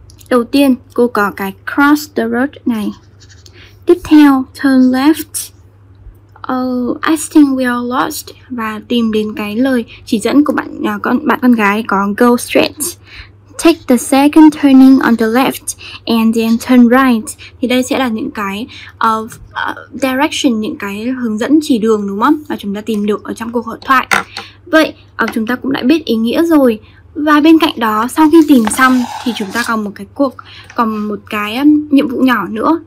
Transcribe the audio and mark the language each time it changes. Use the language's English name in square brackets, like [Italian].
[Vietnamese] Đầu tiên, cô có cái [English] cross the road [Vietnamese] này. Tiếp theo, [English] turn left. I think we are lost. [Vietnamese] Và tìm đến cái lời chỉ dẫn của bạn con gái có [English] go straight. Take the second turning on the left and then turn right. [Vietnamese] Thì đây sẽ là những cái direction, những cái hướng dẫn chỉ đường, đúng không? Mà chúng ta tìm được ở trong cuộc hội thoại. Vậy chúng ta cũng đã biết ý nghĩa rồi. Và bên cạnh đó, sau khi tìm xong thì chúng ta còn một cái nhiệm vụ nhỏ nữa.